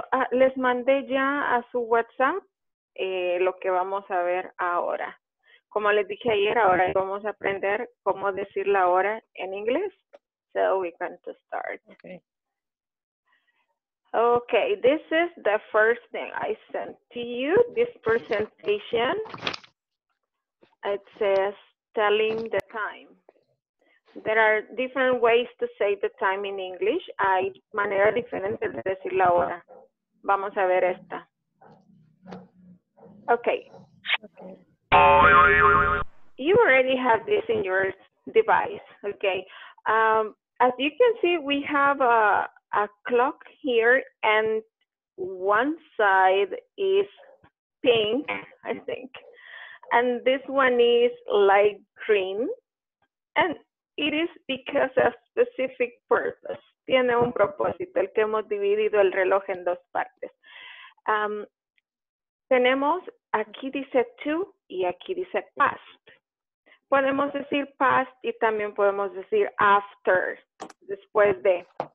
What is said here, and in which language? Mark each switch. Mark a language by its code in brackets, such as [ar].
[es] Les mandé ya a su WhatsApp lo que vamos a ver ahora. Como les dije ayer, ahora vamos a aprender cómo decir la hora en inglés. [en] So we're going to start. Okay. Okay, this is the first thing I sent to you, this presentation. It says telling the time. There are different ways to say the time in English. [es] Hay maneras diferentes de decir la hora. Vamos a ver esta. [en] Okay. Okay. You already have this in your device, okay? As you can see, we have a clock here, and one side is pink, I think, and this one is light green, and it is because of specific purpose. [es] Tiene un propósito, el que hemos dividido el reloj en dos partes. Tenemos, aquí dice to y aquí dice past. Podemos decir past y también podemos decir after, después de.